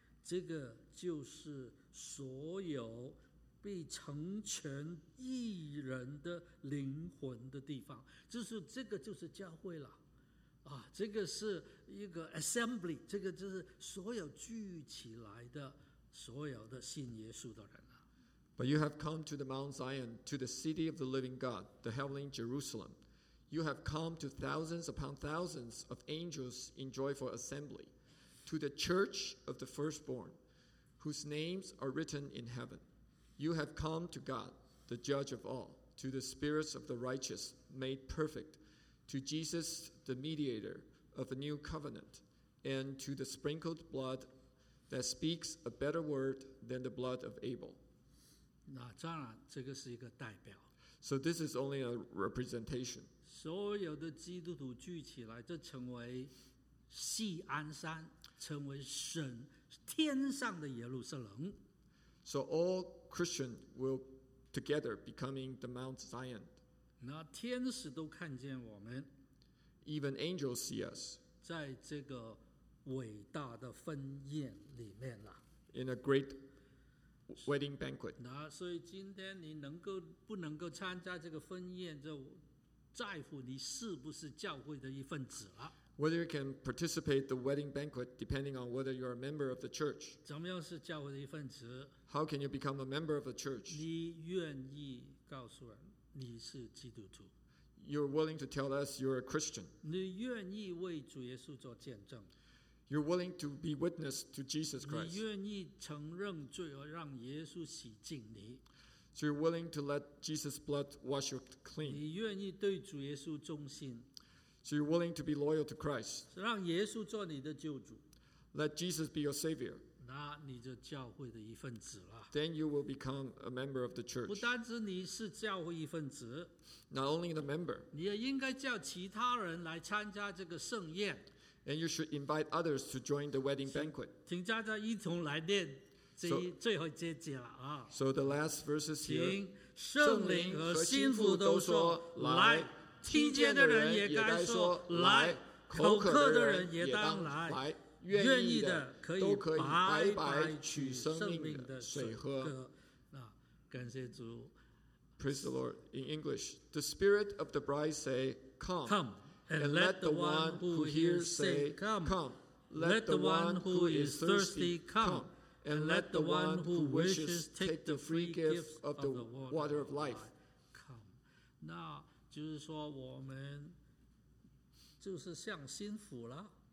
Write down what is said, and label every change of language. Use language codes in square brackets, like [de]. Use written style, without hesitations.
[zh] 这个就是所有被成全义人的灵魂的地方，就是这个就是教会了啊，这个是一个 assembly， 这个就是所有聚起来的所有的信耶稣的人。 [en] But you have come to the Mount Zion, to the city of the living God, the heavenly Jerusalem. You have come to thousands upon thousands of angels in joyful assembly, to the church of the firstborn, whose names are written in heaven. You have come to God, the judge of all, to the spirits of the righteous made perfect, to Jesus, the mediator of a new covenant, and to the sprinkled blood that speaks a better word than the blood of Abel. [zh] 那当然这个是一个代表。 [en] So this is only a representation. [zh] 所有的基督徒聚起来就成为锡安山，成为神天上的耶路撒冷。 [en] So all Christians will together becoming the Mount Zion. [zh] 那天使都看见我们。 [en] Even angels see us. [zh] 在这个伟大的婚宴里面了。 [en] In a great wedding banquet. [zh] 那所以今天你能够不能够参加这个婚宴，就在乎你是不是教会的一份子了。 [en] Whether you can participate the wedding banquet depending on whether you are a member of the church. [zh] 怎么样是教会的一份子？ [en] How can you become a member of the church? [zh] 你愿意告诉人你是基督徒。 [en] You're willing to tell us you're a Christian. [zh] 你愿意为主耶稣做见证。 [en] You're willing to be witness to Jesus Christ. [zh] 你愿意承认罪而让耶稣洗净你。 [en] So you're willing to let Jesus' blood wash you clean. [zh] 你愿意对主耶稣忠心。 [en] So you're willing to be loyal to Christ. [zh] 让耶稣做你的救主。 [en] Let Jesus be your savior. [zh] 那你就教会的一份子了。 [en] Then you will become a member of the church. [zh] 不单只你是教会一份子。 [en] Not only the member. [zh] 你也应该叫其他人来参加这个盛宴。 [en] And you should invite others to join the wedding banquet. [zh] 请大家一同来念这最后这节了啊。 [en] So the last verses here. [zh] 请圣灵和心腹都说来，听见的人也该说来，口渴的人也当来，愿意的可以白白取生命的水喝。啊，感谢主。 [en] Praise the Lord. In English, the spirit of the bride say, "Come." Come. And let the one who hears say, come. Let the one who is thirsty come. And let the one who wishes take the free gift of the water of life. Come. [zh] 那就是说我们就是像心腹了。